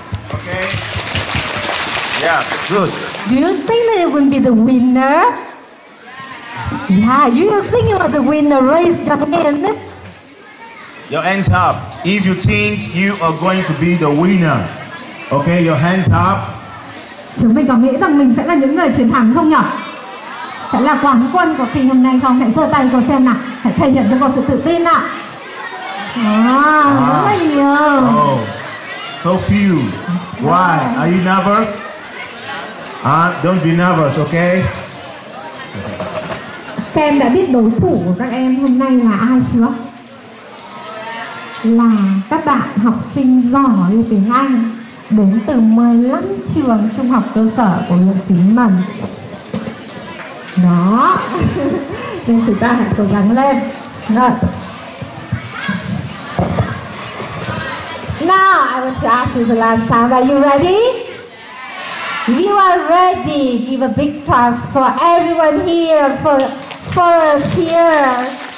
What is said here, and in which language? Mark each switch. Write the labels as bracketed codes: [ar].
[en] Okay. Yeah. Good. Do you think that you will be the winner? Yeah. You think you are the winner? Raise your hand. Your hands up if you think you are going to be the winner. Okay, your hands up. [vi] Chúng mình có nghĩ rằng mình sẽ là những người chiến thắng không nhỉ? Sẽ là quán quân của kỳ hôm nay không? Hãy giơ tay cô xem nào. Hãy thể hiện cho cô sự tự tin nào. Rất là nhiều. [en] So few. Why? Are you nervous? Don't be nervous, okay? [vi] Các em đã biết đối thủ của các em hôm nay là ai chưa? là các bạn học sinh giỏi tiếng Anh đến từ 15 trường trung học cơ sở của huyện Xín Mần. Đó. Nên chúng ta hãy cố gắng lên. Rồi. [en] Now I want to ask you the last time. Are you ready? If you are ready, give a big applause for everyone here, for us here.